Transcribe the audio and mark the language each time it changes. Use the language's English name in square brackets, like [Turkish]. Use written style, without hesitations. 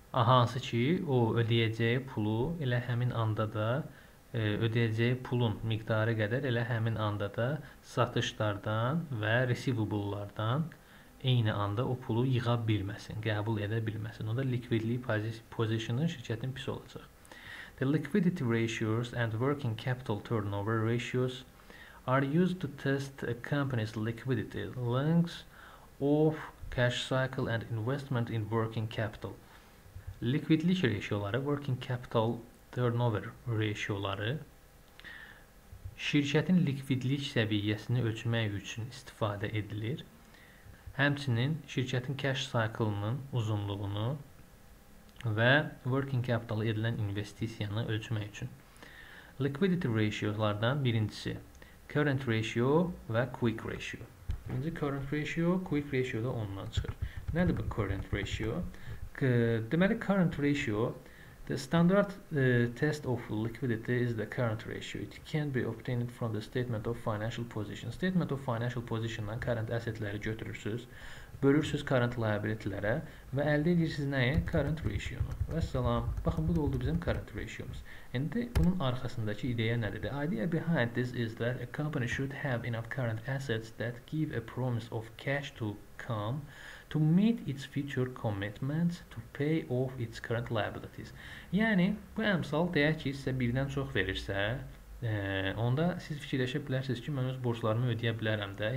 [Azerbaijani] Hansı ki, o ödəyəcəyi pulu elə həmin anda da ödəyəcəyi pulun miqdarı qədər elə həmin anda da satışlardan və receivable-lardan eyni anda o pulu yığa bilməsin, qəbul edə bilməsin. O da likvidlik pozisiyonun şirkətin pis olacaq. [English] The liquidity ratios and working capital turnover ratios are used to test a company's liquidity, length of cash cycle and investment in working capital. [Azerbaijani] Likvidlik ratioları, working capital turnover ratioları şirkətin likvidlik səviyyəsini ölçmək üçün istifadə edilir. Həmçinin şirkətin cash cycle-ının uzunluğunu və working capital edilən investisiyanı ölçmək üçün. Liquidity ratio-lardan birincisi, current ratio və quick ratio. Birinci current ratio, quick ratio da ondan çıxır. Nədir bu current ratio? [English] Deməli, current ratio, the standard test of liquidity is the current ratio. It can be obtained from the statement of financial position. [Azerbaijani] Statement of financial position-dan current asset-ləri götürürsünüz. Bölürsünüz current liability-lərə və əldə edirsiniz nəyə? Current ratio-nu. Və salam. Baxın, bu da oldu bizim current ratio-muz. İndi bunun arxasındakı ideya nədir? [English] The idea behind this is that a company should have enough current assets that give a promise of cash to come to meet its future commitments to pay off its current liabilities. [Azerbaijani] Yəni, bu əmsal deyək ki, sizə birdən çox verirsə, onda siz fikirləşə bilərsiniz ki, mən öz borclarımı ödəyə bilərəm də.